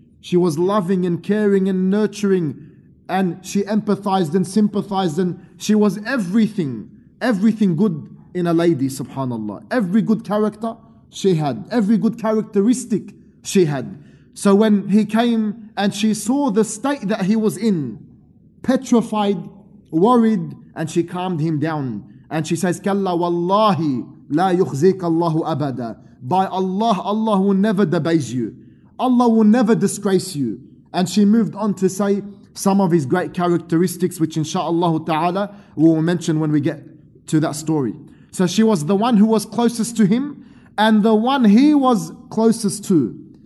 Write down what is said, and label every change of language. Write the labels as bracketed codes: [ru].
[en] She was loving and caring and nurturing, and she empathized and sympathized, and she was everything good in a lady, subhanAllah. Every good character she had, every good characteristic she had. So when he came and she saw the state that he was in, petrified, worried, and she calmed him down. And she says, [ar] كلا والله لا يخزيك الله أبدا. [en] By Allah, Allah will never debase you. Allah will never disgrace you. And she moved on to say some of his great characteristics, which insha'Allah ta'ala we will mention when we get to that story. So she was the one who was closest to him and the one he was closest to.